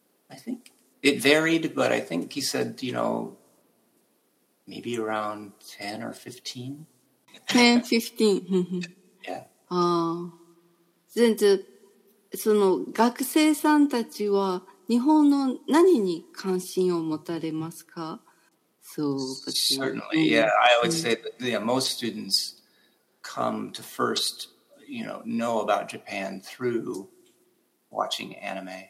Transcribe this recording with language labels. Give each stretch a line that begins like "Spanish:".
English: I think it varied, but I think he said, you know, maybe around 10 or 15. 10, 15. Yeah.
Japanese: 全然、その学生さんたちは日本の何に関心を持たれますか?
English: So, certainly, yeah. I would say that yeah, most students come to first, you know about Japan through watching anime.